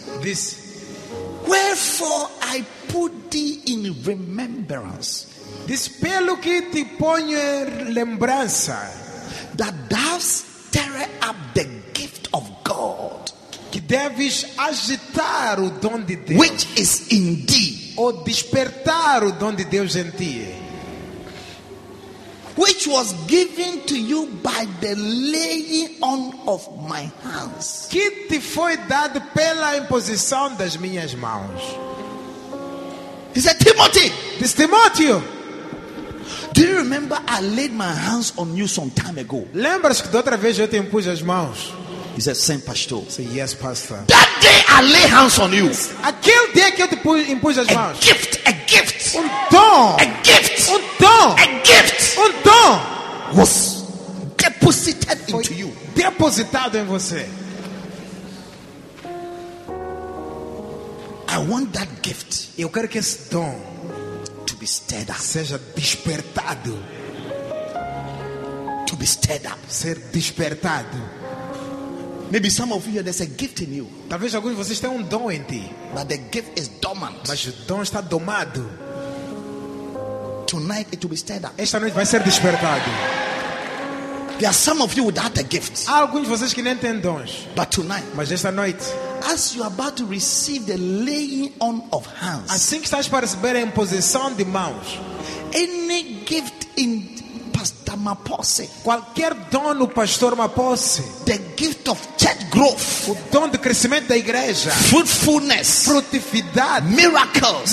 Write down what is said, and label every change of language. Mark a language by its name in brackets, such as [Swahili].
[English] this: wherefore I put thee in remembrance. [Portuguese] Diz, pelo que te ponho em lembrança, [English] that thou stir up the gift of God. [Portuguese] Que deves agitar o dom de Deus, [English] which is in thee, [Portuguese] ou despertar o dom de Deus em ti, [English] which was given to you by the laying on of my hands, [Portuguese] que te foi dado pela imposição das minhas mãos. [English] He said, Timothy, [Portuguese] this Timóteo, [English] do you remember I laid my hands on you some time ago? [Portuguese] Lembras que da outra vez eu te impus as mãos? [English] He said, same pastor. Say, yes, pastor. That day I lay hands on you. [Portuguese] Aquele dia que eu te impus as mãos. [English] A gift, a gift. [Portuguese] Um dom. [English] A gift. [Portuguese] Um dom. [English] A gift. [Portuguese] Um dom. [English] Was deposited into you. [Portuguese] Depositado em você. [English] I want that gift. [Portuguese] Eu quero que esse dom [English] to be stirred up. [Portuguese] Seja despertado. [English] To be stirred up. [Portuguese] Ser despertado. [English] Maybe some of you here, there's a gift in you. [Portuguese] Talvez alguns de vocês tenham um dom em ti. [English] But the gift is dormant. [Portuguese] Mas o dom está domado. [English] Tonight it will be stirred up. [Portuguese] Esta noite vai ser despertado. [English] There are some of you without a gift. [Portuguese] Há alguns de vocês que nem têm dons. [English] But tonight, [Portuguese] mas esta noite, [English] as you are about to receive the laying on of hands, [Portuguese] assim que estás para receber a imposição de mãos, [English] any gift in Pastor Maposse, [Portuguese] qualquer dom no Pastor Maposse, [English] the gift of church growth, [Portuguese] o dom de crescimento da igreja, [English] fruitfulness, [Portuguese] frutividade, [English] miracles,